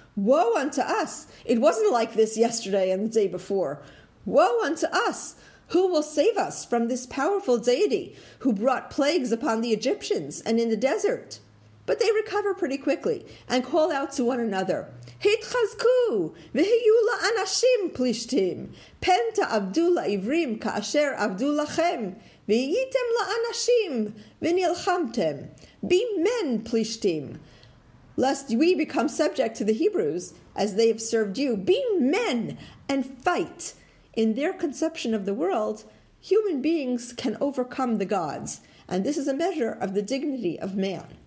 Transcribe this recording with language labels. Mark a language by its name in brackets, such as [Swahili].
[English] Woe unto us! It wasn't like this yesterday and the day before. Woe unto us! Who will save us from this powerful deity who brought plagues upon the Egyptians and in the desert? But they recover pretty quickly and call out to one another, [Hebrew] התחזקו, והיו לאנשים פלישתים. פן תעבדו לעברים כאשר עבדו לכם, והייתם לאנשים ונלחמתם. [English] Be men, פלישתים. Lest we become subject to the Hebrews, as they have served you, be men and fight. In their conception of the world, human beings can overcome the gods, and this is a measure of the dignity of man.